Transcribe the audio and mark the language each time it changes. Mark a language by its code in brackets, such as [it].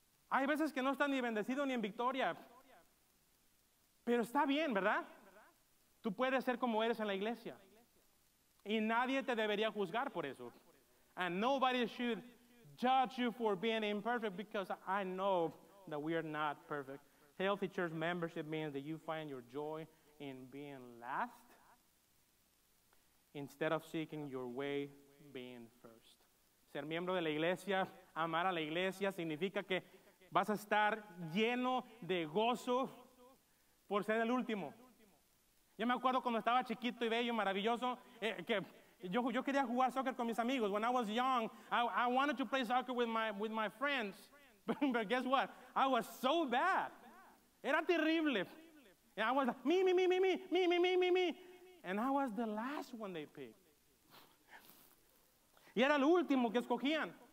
[es] Hay veces que no están ni bendecidos ni en victoria. Pero está bien, ¿verdad? Tú puedes ser como eres en la iglesia. Y nadie te debería juzgar por eso. [en] And nobody should judge you for being imperfect, because I know that we are not perfect. Healthy church membership means that you find your joy in being last, instead of seeking your way being first. [es] Ser miembro de la iglesia, amar a la iglesia, significa que vas a estar lleno de gozo por ser el último. Yo me acuerdo cuando estaba chiquito y bello y maravilloso, que yo quería jugar soccer con mis amigos. [en] When I was young, I wanted to play soccer with my friends. But guess what? I was so bad. [es] Era terrible. [en] And I was like, me. And I was the last one they picked. [es] Y era el último que escogían.